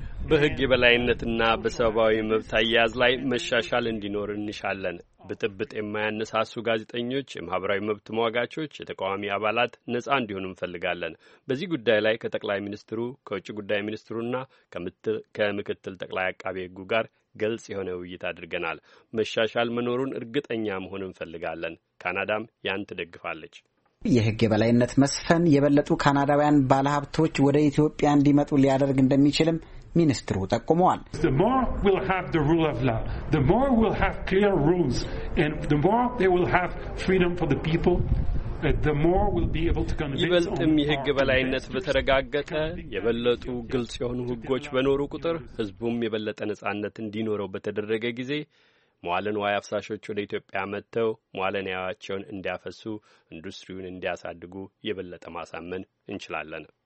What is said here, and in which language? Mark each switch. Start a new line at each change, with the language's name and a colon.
Amharic: በሕግ የበላይነትና በሰብአዊ መብት አያያዝ ላይ መሻሻል እንዲኖር እንሻለን። ብጥብጥ የማያነሳሱ ጋዜጠኞች፣ የማህበራዊ መብት ተሟጋቾች፣ የተቃዋሚ አባላት ነጻ እንዲሆኑ እንፈልጋለን። በዚህ ጉዳይ ላይ ከጠቅላይ ሚኒስትሩ፣ ከውጭ ጉዳይ ሚኒስትሩና ከምክትል ጠቅላይ አቃቤ ሕጉ ጋር ግልጽ የሆነ ውይይት አድርገናል። መሻሻል መኖሩን እርግጠኛ መሆን እንፈልጋለን። ካናዳም ያን ትደግፋለች። የሕግ የበላይነት መስፈን የበለጡ ካናዳውያን ባለሀብቶች ወደ ኢትዮጵያ እንዲመጡ ሊያደርግ እንደሚችልም ሚኒስትሩ ተቆመዋል።
English: The more we'll have the rule of law, the more we'll have clear rules, and the more they will have freedom for the people, the more we'll be able to convince.
Amharic: ይበልጥም የሕግ በላይነት በተረጋገጠ የበለጡ ግልጽ የሆኑ ሕጎች በኖሩ ቁጥር ሕዝቡም የበለጠ ነጻነት እንዲኖረው በተደረገ ጊዜ መዋለ ንዋይ አፍሳሾች ወደ ኢትዮጵያ መጥተው መዋለ ንዋያቸውን እንዲያፈሱ፣ ኢንዱስትሪውን እንዲያሳድጉ የበለጠ ማሳመን እንችላለን።